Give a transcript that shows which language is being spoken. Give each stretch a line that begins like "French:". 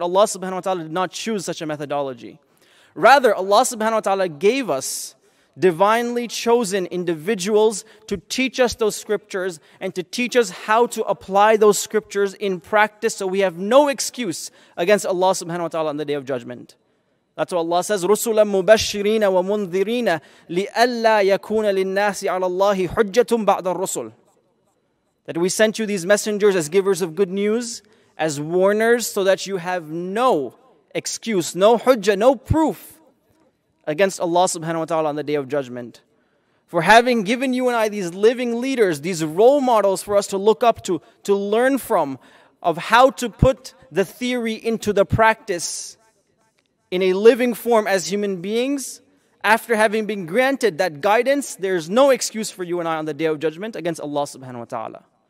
English: But Allah subhanahu wa ta'ala did not choose such a methodology. Rather, Allah subhanahu wa ta'ala gave us divinely chosen individuals to teach us those scriptures and to teach us how to apply those scriptures in practice so we have no excuse against Allah subhanahu wa ta'ala on the Day of Judgment. That's what Allah says,
Arabic: رُسُلًا مُبَشِّرِينَ وَمُنذِرِينَ لِأَلَّا يَكُونَ لِلنَّاسِ عَلَى اللَّهِ حُجَّةٌ بَعْدَ الرُّسُلِ.
English: That we sent you these messengers as givers of good news, as warners, so that you have no excuse, no hujjah, no proof against Allah subhanahu wa ta'ala on the Day of Judgment. For having given you and I these living leaders, these role models for us to look up to learn from, of how to put the theory into the practice in a living form as human beings, after having been granted that guidance, there's no excuse for you and I on the Day of Judgment against Allah subhanahu wa ta'ala.